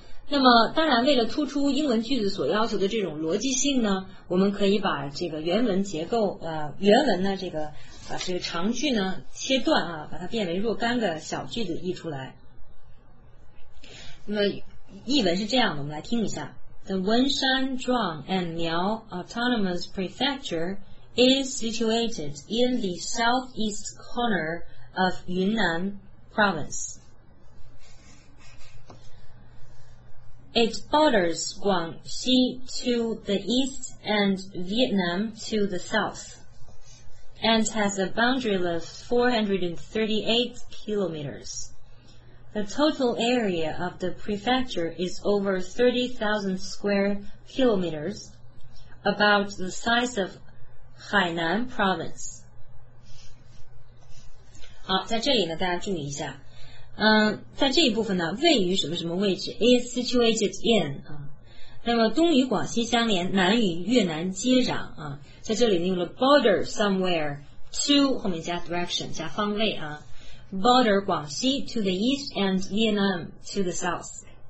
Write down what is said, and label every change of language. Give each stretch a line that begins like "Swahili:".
Chinese: 那么当然为了突出英文句子所要求的这种逻辑性呢，我们可以把这个原文结构原文呢这个长句呢切断把它变为若干个小句子译出来。那么译文是这样的，我们来听一下。
English: The Wenshan Zhuang and Miao Autonomous Prefecture is situated in the southeast corner of Yunnan Province. It borders Guangxi to the east and Vietnam to the south, and has a boundary of 438 kilometers. The total area of the prefecture is over 30,000 square kilometers, about the size of Hainan Province.
Chinese: 好，在这里呢，大家注意一下，在这一部分呢，位于什么什么位置 ？
English: Is situated in
Chinese: 啊。那么东与广西相连，南与越南接壤啊。在这里呢，用了
English: border somewhere to
Chinese: 后面加 direction 加方位啊。
English: Border 广西 to the east and Vietnam to the south.